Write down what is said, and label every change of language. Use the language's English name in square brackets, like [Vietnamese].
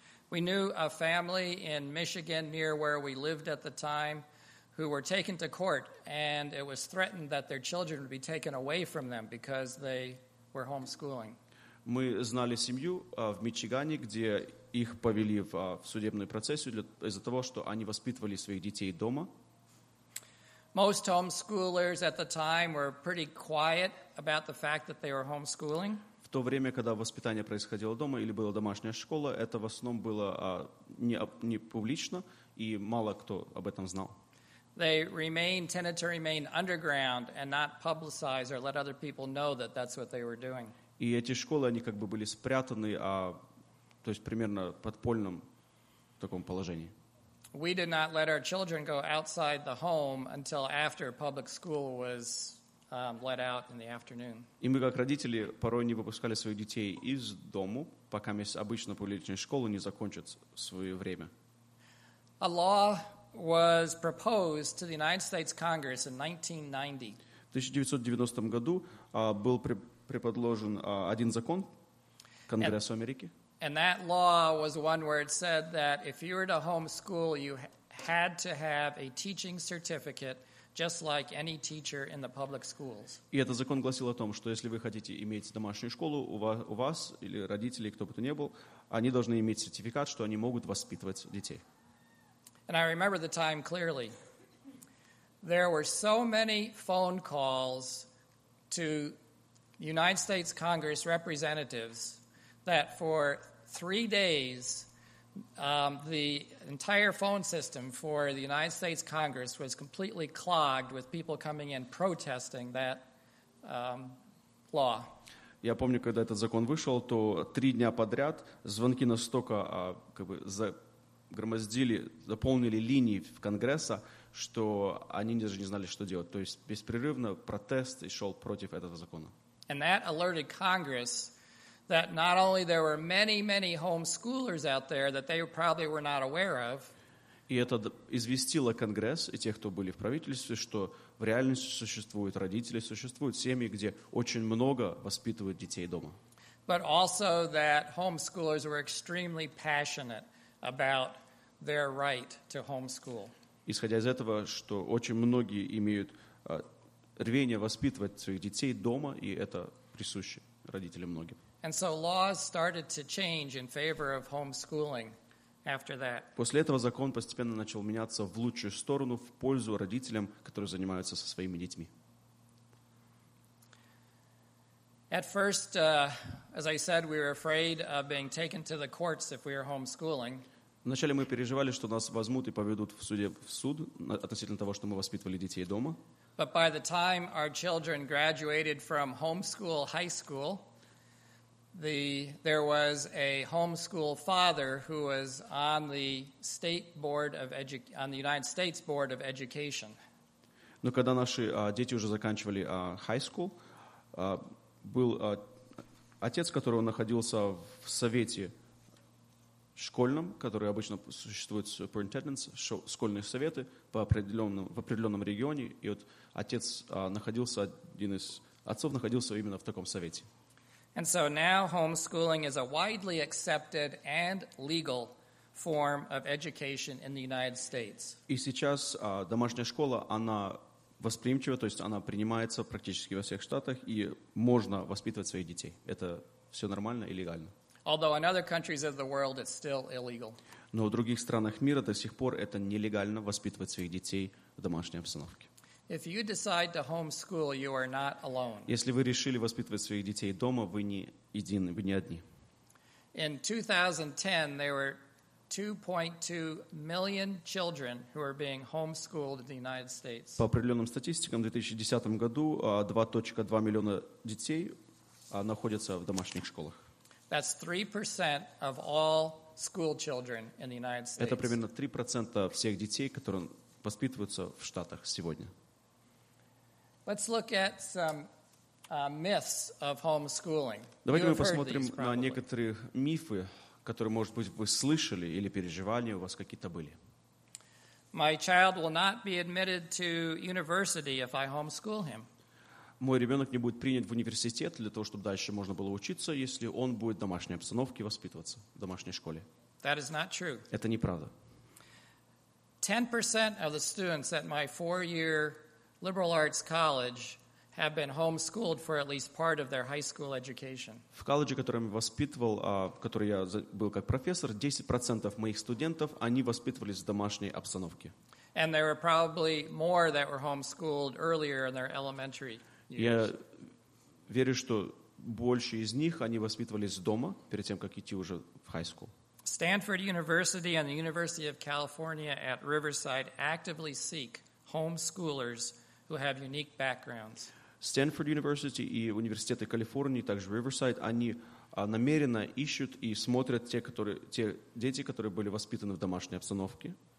[English] We knew a family in Michigan near where we lived at the time who were taken to court, and it was threatened that their children would be taken away from them because they were homeschooling. [Russian] Мы знали семью в Мичигане, где их повели в судебную процессию из-за того, что они воспитывали своих детей дома. [English] Most homeschoolers at the time were pretty quiet about the fact that they were homeschooling. [Russian] В то время, когда воспитание происходило дома или была домашняя школа, это в основном было не публично, и мало кто об этом знал. [English] They tended to remain underground and not publicize or let other people know that that's what they were doing. [Russian] И эти школы, они как бы были спрятаны, то есть примерно подпольном таком положении. [English] We did not let our children go outside the home until after public school was let out in the afternoon. [Russian] И мы как родители порой не выпускали своих детей из дому, пока обычно публичная школа не закончит свое время. [English] A law was proposed to the United States Congress in 1990. [Russian] В 1990 году был предложен один закон Конгрессу Америки. [English] And that law was one where it said that if you were to homeschool, you had to have a teaching certificate, just like any teacher in the public schools. [Russian] И этот закон гласил о том, что если вы хотите иметь домашнюю школу, у вас или родители, кто бы то ни был, они должны иметь сертификат, что они могут воспитывать детей. [English] And I remember the time clearly. There were so many phone calls to United States Congress representatives that for 3 days the entire phone system for the United States Congress was completely clogged with people coming in protesting that law. [Russian] Я помню, когда этот закон вышел, то 3 дня подряд звонки настолько громоздили, заполнили линии в Конгресса, что они даже не знали, что делать. То есть беспрерывно протест шел против этого закона. [English] And that alerted Congress that not only there were many, many homeschoolers out there that they probably were not aware of. [Russian] И это известило Конгресс и тех, кто были в правительстве, что в реальности существуют родители, существуют семьи, где очень много воспитывают детей дома. [English] But also that homeschoolers were extremely passionate about their right to homeschool. [Russian] Исходя из этого, что очень многие имеют рвение воспитывать своих детей дома, и это присуще родителям многим. [English] And so laws started to change in favor of homeschooling after that. [Russian] После этого закон постепенно начал меняться в лучшую сторону, в пользу родителям, которые занимаются со своими детьми. [English] At first, as I said, we were afraid of being taken to the courts if we were homeschooling. [Russian] Вначале мы переживали, что нас возьмут и поведут в суд относительно того, что мы воспитывали детей дома. [English] But by the time our children graduated from homeschool high school, there was a homeschool father who was on the state board of on the United States Board of Education. [Russian] Но когда наши дети уже заканчивали high school, был отец, которого находился в совете школьном, который обычно существует superintendents, школьные советы в определенном регионе, и вот отец находился один из отцов находился именно в таком совете. [English] And so now homeschooling is a widely accepted and legal form of education in the United States. [Russian] И сейчас домашняя школа, она восприимчива, то есть она принимается практически во всех штатах, и можно воспитывать своих детей. Это все нормально и легально. [English] Although in other countries of the world it's still illegal. [Russian] Но в других странах мира до сих пор это нелегально воспитывать своих детей в домашней обстановке. [English] If you decide to homeschool, you are not alone. [Russian] Если вы решили воспитывать своих детей дома, вы не едины, вы не одни. [English] In 2010 there were 2.2 million children who are being homeschooled in the United States. [Russian] По определенным статистикам, в 2010 году 2.2 миллиона детей находятся в домашних школах. [English] That's 3% of all school children in the United States. [Russian] Это примерно 3% всех детей, которые воспитываются в Штатах сегодня. [English] Let's look at some myths of homeschooling. [Russian] Давайте мы посмотрим на некоторые мифы, которые, может быть, вы слышали или переживания у вас какие-то были. [English] My child will not be admitted to university if I homeschool him. [Russian] Мой ребенок не будет принят в университет для того, чтобы дальше можно было учиться, если он будет в домашней обстановке воспитываться, в домашней школе. [English] That is not true. [Russian] Это неправда. [English] 10% of the students at my 4-year liberal arts college have been homeschooled for at least part of their high school education. [Russian] В колледже, который я воспитывал, который я был как профессор, 10% моих студентов, они воспитывались в домашней обстановке. [English] And there were probably more that were homeschooled earlier in their elementary [Russian] Я верю, что больше из них они воспитывались дома, перед тем, как идти уже в high school. [English] Stanford University and the University of California at Riverside actively seek homeschoolers who have unique backgrounds. [Russian] Stanford University и университеты Калифорнии, также Riverside, они намеренно ищут и смотрят те дети, которые были воспитаны в домашней обстановке.